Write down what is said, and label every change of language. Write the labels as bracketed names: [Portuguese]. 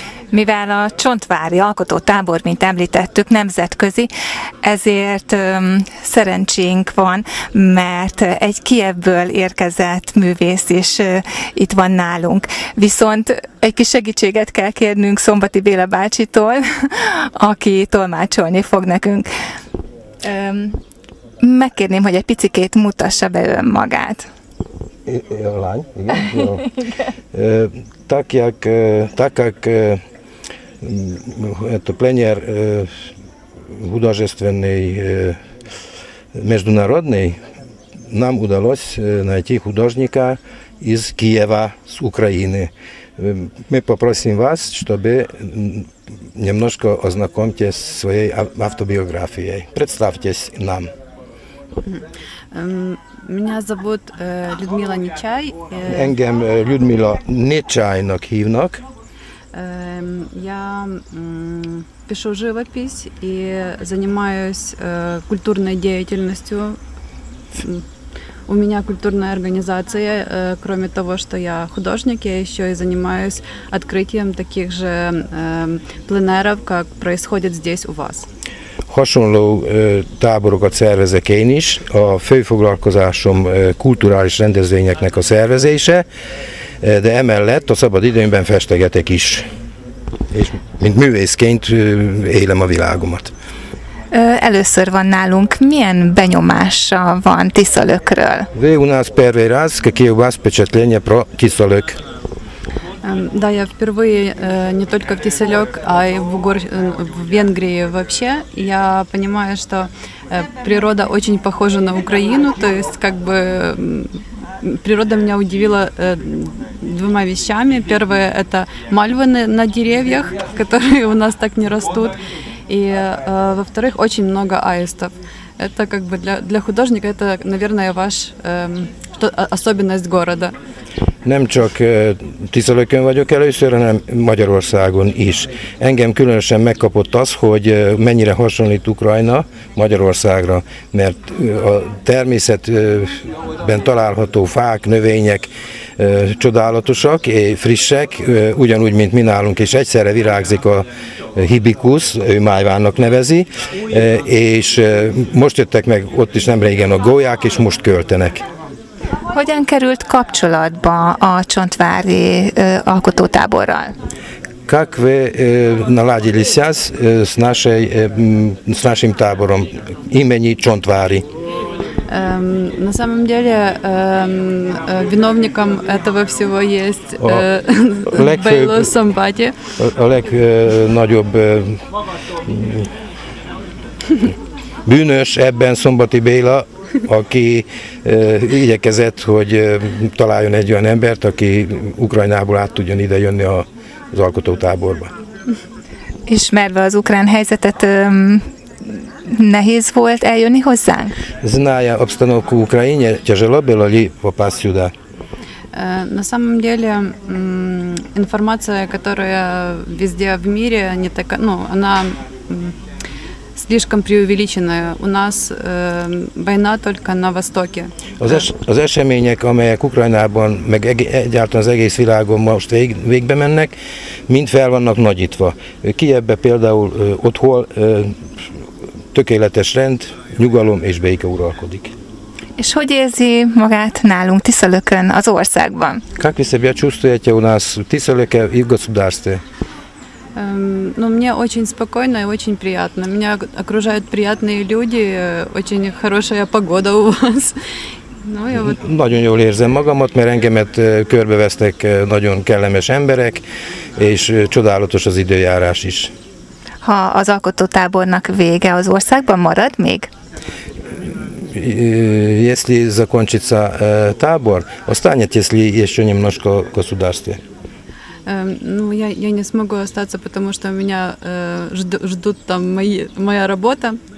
[Hungarian] Mivel a csontvári alkotótábor, mint említettük, nemzetközi, ezért szerencsénk van, mert egy Kijevből érkezett művész is itt van nálunk. Viszont egy kis segítséget kell kérnünk Szombati Béla bácsitól, aki tolmácsolni fog nekünk. Megkérném, hogy egy picikét mutassa be ön magát. A lány? Igen. [Russian] Takjak это пленер художественный международный нам удалось найти художника из Киева, с Украины. Мы попросим вас, чтобы немножко ознакомьтесь своей автобиографией. Представьтесь нам. Меня зовут Людмила Нечай. [Hungarian] Engem [Russian] Людмила Нечайнок хивнок. Я пишу живопись и занимаюсь культурной деятельностью. У меня культурная организация, кроме того, что я художник, я еще и занимаюсь открытием таких же пленеров, как происходит здесь у вас. [Hungarian] Hasonló táborokat szervezek én is. A fő foglalkozásom kulturális rendezvényeknek a szervezése, de emellett a szabad időmben festegetek is. És mint művészként élem a világomat. Először van nálunk, milyen benyomása van Tiszalökről? Vé unász pervé rász, kékéjú bászpecset lénye pro Tiszalök. [Russian] Да, я впервые не только в Тиселёк, а и в Венгрии вообще. Я понимаю, что природа очень похожа на Украину, то есть как бы природа меня удивила двумя вещами. Первое – это мальвы на деревьях, которые у нас так не растут. И во-вторых, очень много аистов. Это как бы для художника, это, наверное, ваш особенность города. [Hungarian] Nem csak Tiszalökön vagyok először, hanem Magyarországon is. Engem különösen megkapott az, hogy mennyire hasonlít Ukrajna Magyarországra, mert a természetben található fák, növények csodálatosak, frissek, ugyanúgy, mint mi nálunk, és egyszerre virágzik a hibikusz, ő májvának nevezi, és most jöttek meg ott is nemrégen a gólyák, és most költenek. Hogyan került kapcsolatba a csontvári alkotótáborral? [Russian] Как вы наладили связь с нашим табором имени Чонтвари? На самом деле виновником этого всего есть Бейло Самбати. Олег Надюб. [Hungarian] Bűnös ebben Szombati Béla, aki igyekezett, hogy találjon egy olyan embert, aki Ukrajnából át tudjon ide jönni az alkotótáborba. Ismerve az ukrán helyzetet, nehéz volt eljönni hozzánk? [Russian] Зная обстановку в Украине, тяжело было ли попасть сюда? На самом деле, информация, которая везде в мире, не такая, ну, она слишком преувеличенная. У нас война только на востоке. [Hungarian] Az események, amelyek Ukrajnában, meg egyáltalán az egész világon most végbe mennek, mind fel vannak nagyítva. Kijevben például otthon tökéletes rend, nyugalom és béke uralkodik. És hogy érzi magát nálunk Tiszalökön, az országban? [Russian] Как вы себя чувствуете у нас в Тисолёке, в государстве? Ну, мне очень спокойно и очень приятно. Меня окружают приятные люди, очень хорошая погода у вас. Ну, я вот... [Hungarian] Nagyon jól érzem magamat, mert engemet körbevesznek nagyon kellemes emberek, és csodálatos az időjárás is. Ha az alkotótábornak vége az országban, marad még? [Russian] Если закончится табор, останется ли еще немножко в государстве? Ну, я не смогу остаться, потому что у меня ждут там моя работа.